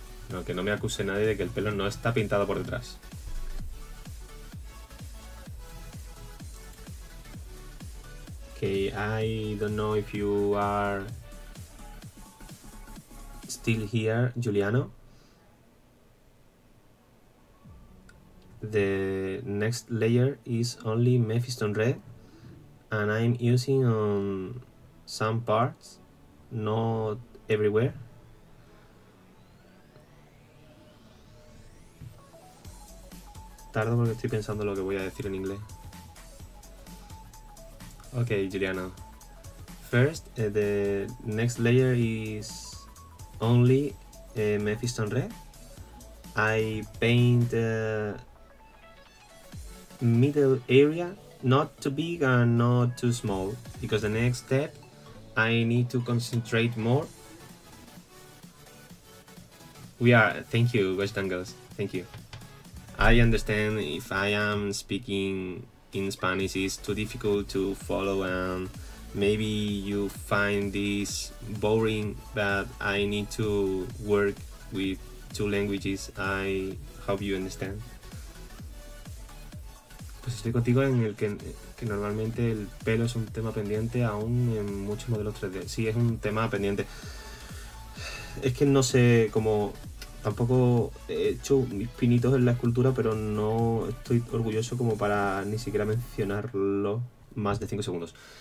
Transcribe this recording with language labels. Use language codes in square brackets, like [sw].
[es] No, que no me acuse nadie de que el pelo no está pintado por detrás. [en] Okay, I don't know if you are still here, Giuliano. The next layer is only Mephiston Red, and I'm using on some parts, not everywhere. [es] Tardo porque estoy pensando lo que voy a decir en inglés. [en] Okay, Giuliano. First, the next layer is only Mephiston Red. I paint middle area not too big and not too small, because the next step I need to concentrate more. We are, thank you, Western Girls, thank you. I understand if I am speaking in Spanish it's too difficult to follow and maybe you find this boring, but I need to work with two languages. I hope you understand. [es] Pues estoy contigo en el que normalmente el pelo es un tema pendiente aún en muchos modelos 3D. Sí, es un tema pendiente. Es que no sé cómo... Tampoco he hecho mis pinitos en la escultura, pero no estoy orgulloso como para ni siquiera mencionarlo más de 5 segundos.